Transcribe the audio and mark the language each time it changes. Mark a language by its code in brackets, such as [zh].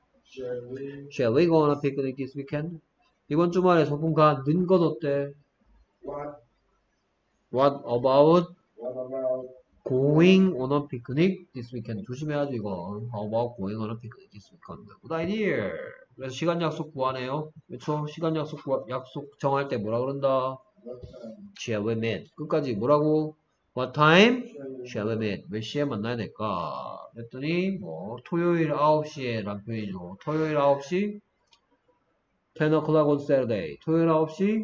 [en] Shall we go on a picnic this weekend? [ko] 이번 주말에 소풍 가는 것 어때? [en] What about going on a picnic this weekend? [ko] 조심해야죠, 이거. [en] How about going on a picnic this weekend? Good idea. [ko] 그래서 시간 약속 구하네요. 그렇죠? 시간 약속 구하, 약속 정할 때 뭐라 그런다? [en] Shall we meet? [ko] 끝까지 뭐라고? [en] What time shall we meet? [ko] 몇 시에 만나야 될까? 그랬더니 뭐 토요일 9시에란 표현이죠. 토요일 9시? [en] 10 o'clock on Saturday. [ko] 토요일 9시?